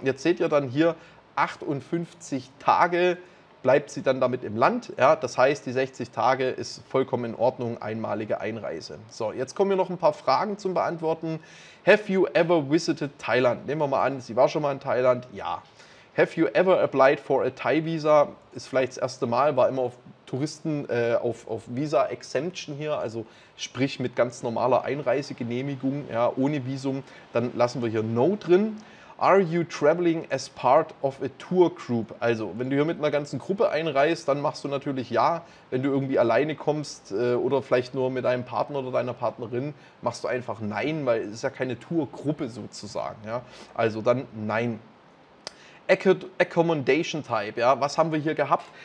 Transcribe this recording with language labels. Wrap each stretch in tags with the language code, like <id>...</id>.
<de>Jetzt seht ihr dann hier, 58 Tage bleibt sie dann damit im Land. Ja? Das heißt, die 60 Tage ist vollkommen in Ordnung. Einmalige Einreise. So, jetzt kommen hier noch ein paar Fragen zum Beantworten.</de> <en>Have you ever visited Thailand?</en> <de>Nehmen wir mal an, sie war schon mal in Thailand. Ja.</de> <en>Have you ever applied for a Thai Visa?</en> <de>Ist vielleicht das erste Mal, war immer auf Touristen, auf Visa Exemption hier, also sprich mit ganz normaler Einreisegenehmigung, ja, ohne Visum. Dann lassen wir hier No drin.</de> <en>Are you traveling as part of a tour group?</en> <de>Also, wenn du hier mit einer ganzen Gruppe einreist, dann machst du natürlich ja. Wenn du irgendwie alleine kommst oder vielleicht nur mit deinem Partner oder deiner Partnerin, machst du einfach nein, weil es ist ja keine Tourgruppe sozusagen. Ja. Also dann nein. Accommodation Type, ja, was haben wir hier gehabt?</de>